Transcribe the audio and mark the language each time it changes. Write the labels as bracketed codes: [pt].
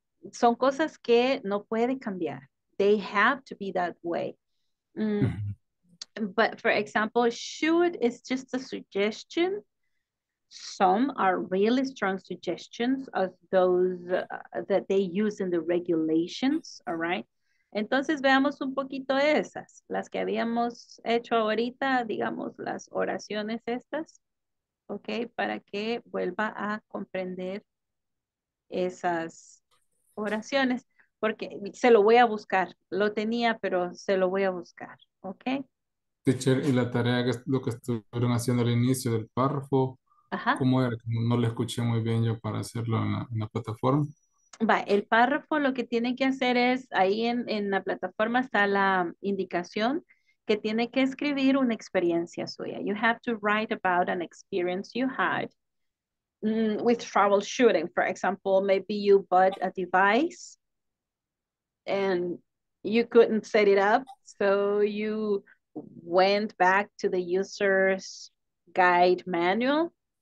[es] Son cosas que no puede cambiar. [en] They have to be that way. But for example, should is just a suggestion. Some are really strong suggestions of those that they use in the regulations, all right? [es] Entonces veamos un poquito esas, las que habíamos hecho ahorita, digamos las oraciones estas, okay, para que vuelva a comprender esas oraciones, porque se lo voy a buscar, lo tenía, pero se lo voy a buscar, ok. Teacher, y la tarea que es lo que estuvieron haciendo al inicio del párrafo, ¿cómo era? No lo escuché muy bien yo para hacerlo en la plataforma. Va, el párrafo lo que tiene que hacer es, ahí en la plataforma está la indicación que tiene que escribir una experiencia suya. [en] You have to write about an experience you had with troubleshooting. For example, maybe you bought a device and you couldn't set it up. So you went back to the user's guide manual.